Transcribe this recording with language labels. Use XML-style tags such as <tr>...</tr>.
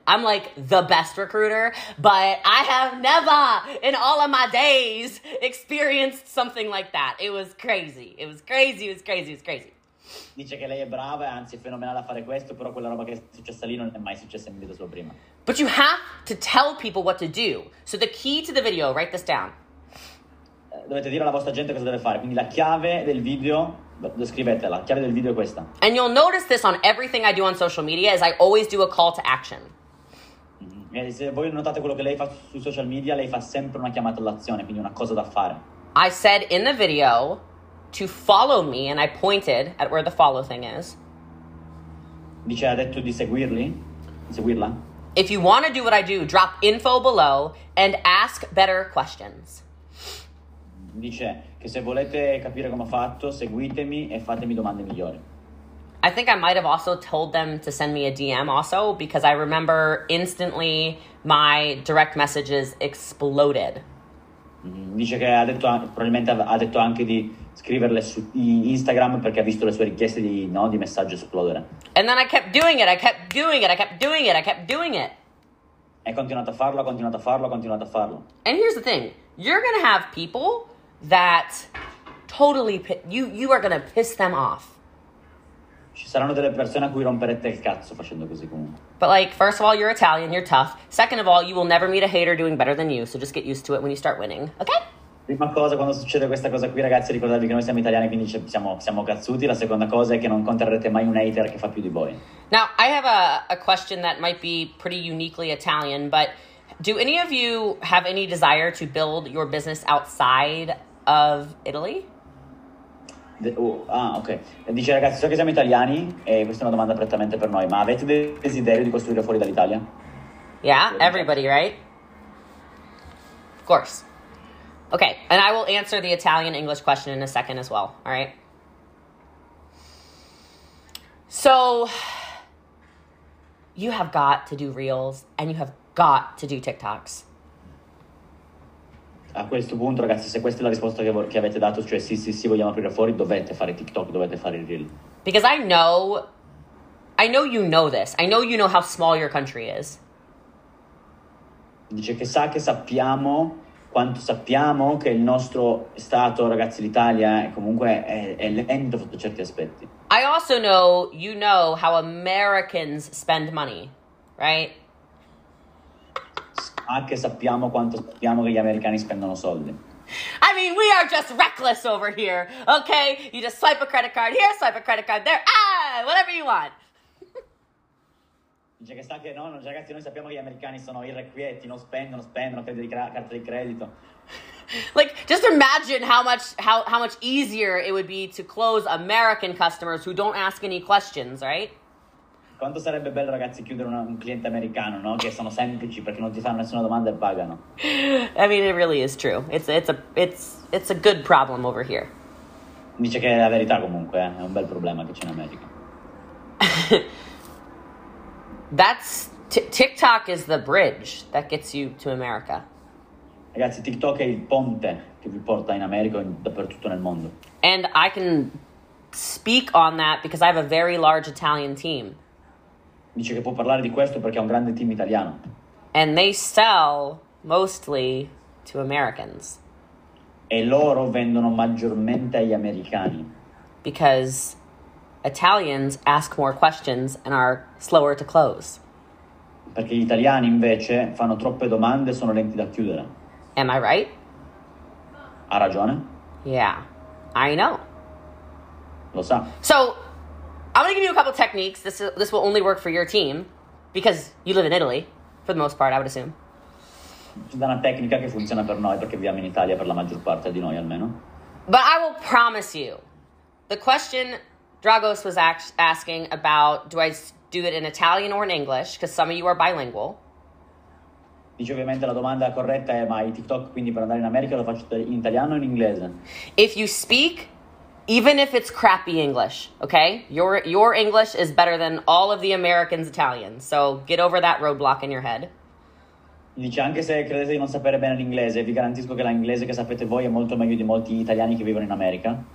<en>I'm like the best recruiter, but I have never in all of my days experienced something like that. It was crazy. It was crazy. It was crazy. It was crazy.</en> <it>Dice che lei è brava e anzi è fenomenale a fare questo, però quella roba che è successa lì non è mai successa in vita sua prima.</it> <en>But you have to tell people what to do. So the key to the video, write this down.</en> <it>dovete dire alla vostra gente cosa deve fare. Quindi la chiave del video, descrivetela, la chiave del video è questa.</it> <en>And you'll notice this on everything I do on social media is I always do a call to action.</en> <it>E se voi notate quello che lei fa sui social media, lei fa sempre una chiamata all'azione, quindi una cosa da fare.</it> <en>I said in the video to follow me and I pointed at where the follow thing is.</en> <it>Dice, ha detto di seguirli, di seguirla.</it> <en>If you want to do what I do, drop info below and ask better questions.</en> <it>Dice che se volete capire come ho fatto, seguitemi e fatemi domande migliori.</it> <en>I think I might have also told them to send me a DM also because I remember instantly my direct messages exploded.</en> <it>Dice che ha detto, probabilmente ha detto anche di scriverle su Instagram perché ha visto le sue richieste di, no, di messaggio esplodere.</it> <en>And then I kept doing it, I kept doing it, I kept doing it, I kept doing it.</en> <it>E continuato a farlo, ha continuato a farlo, ha continuato a farlo.</it> <en>And here's the thing, you're gonna have people that totally, you are gonna piss them off.</en> <it>Ci saranno delle persone a cui romperete il cazzo facendo così comunque.</it> <en>But like, first of all, you're Italian, you're tough. Second of all, you will never meet a hater doing better than you, so just get used to it when you start winning, okay?</en> <it>Prima cosa, quando succede questa cosa qui, ragazzi, ricordatevi che noi siamo italiani, quindi siamo cazzuti. La seconda cosa è che non incontrerete mai un hater che fa più di voi.</it> <en>Now, I have a question that might be pretty uniquely Italian, but do any of you have any desire to build your business outside of Italy? Ok.</en> <it>Dice, ragazzi, so che siamo italiani, e questa è una domanda prettamente per noi, ma avete desiderio di costruire fuori dall'Italia?</it> <en>Yeah, everybody, right? Of course. Okay, and I will answer the Italian-English question in a second as well, all right? So, you have got to do reels, and you have got to do TikToks.</en> <it>A questo punto, ragazzi, se questa è la risposta che avete dato, cioè sì, sì, sì, vogliamo aprire fuori, dovete fare TikTok, dovete fare il reel.</it> <en>Because I know you know this. I know you know how small your country is.</en> <it>Dice che sa che sappiamo... Quanto sappiamo che il nostro stato, ragazzi, l'Italia, comunque è lento sotto certi aspetti.</it> <en>I also know you know how Americans spend money, right?</en> <it>Anche sappiamo quanto sappiamo che gli americani spendono soldi.</it> <en>I mean, we are just reckless over here, okay? You just swipe a credit card here, swipe a credit card there, whatever you want.</en> <it>Dice che sa che no, ragazzi, noi sappiamo che gli americani sono irrequieti, non spendono, spendono, carte di credito.</it> <en>Like, just imagine how much easier it would be to close American customers who don't ask any questions, right?</en> <it>Quanto sarebbe bello, ragazzi, chiudere un cliente americano, no? Che sono semplici perché non ti fanno nessuna domanda e pagano.</it> <en>I mean, it really is true. It's a good problem over here.</en> <it>Dice che è la verità comunque, eh? È un bel problema che c'è in America.</it> <en>That's TikTok is the bridge that gets you to America.</en> <it>Ragazzi, TikTok è il ponte che vi porta in America e dappertutto nel mondo.</it> <en>And I can speak on that because I have a very large Italian team.</en> <it>Dice che può parlare di questo perché ha un grande team italiano.</it> <en>And they sell mostly to Americans.</en> <it>E loro vendono maggiormente agli americani.</it> <en>Because Italians ask more questions and are slower to close.</en> <it>Perché gli italiani invece fanno troppe domande e sono lenti da chiudere.</it> <en>Am I right?</en> <it>Ha ragione?</it> <en>Yeah, I know.</en> <it>Lo sa.</it> <en>So, I'm gonna give you a couple techniques. This will only work for your team, because you live in Italy, for the most part, I would assume.</en> <it>Ci dà una tecnica che funziona per noi, perché viviamo in Italia per la maggior parte di noi, almeno.</it> <en>But I will promise you, the question Dragos was asking about, do I do it in Italian or in English? Because some of you are bilingual.</en> <it>Dice ovviamente la domanda corretta è, ma i TikTok, quindi per andare in America lo faccio in italiano o in inglese?</it> <en>If you speak, even if it's crappy English, okay? Your English is better than all of the Americans' Italian. So get over that roadblock in your head.</en> <it>Dice, anche se credete di non sapere bene l'inglese, vi garantisco che l'inglese che sapete voi è molto meglio di molti italiani che vivono in America.</it>